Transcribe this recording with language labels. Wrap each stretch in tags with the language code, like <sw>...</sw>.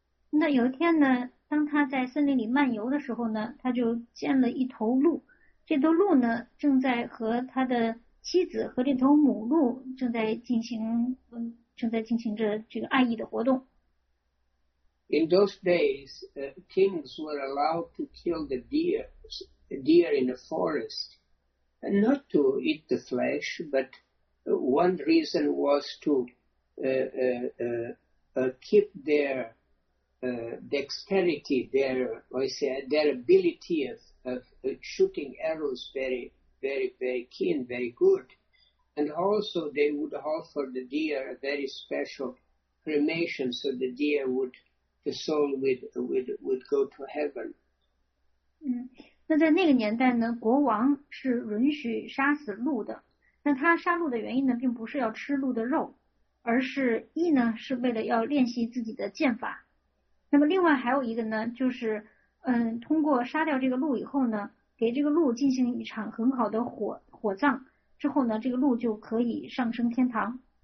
<zh>那有一天呢，当他在森林里漫游的时候呢，他就见了一头鹿。这头鹿呢，正在和他的妻子和这头母鹿正在进行着这个爱意的活动。</zh> <en>In those days, kings were allowed to kill the deer in the forest, and not to eat the flesh, but one reason was to keep their dexterity, their ability of shooting arrows very, very, very keen, very good. And also they would offer the deer a very special cremation, so the deer would, the soul would go to heaven.</en> <zh>那在那个年代呢，国王是允许杀死鹿的。那他杀鹿的原因呢，并不是要吃鹿的肉，而是一呢是为了要练习自己的剑法。那么另外还有一个呢，就是通过杀掉这个鹿以后呢，给这个鹿进行一场很好的火葬之后呢，这个鹿就可以上升天堂。</zh>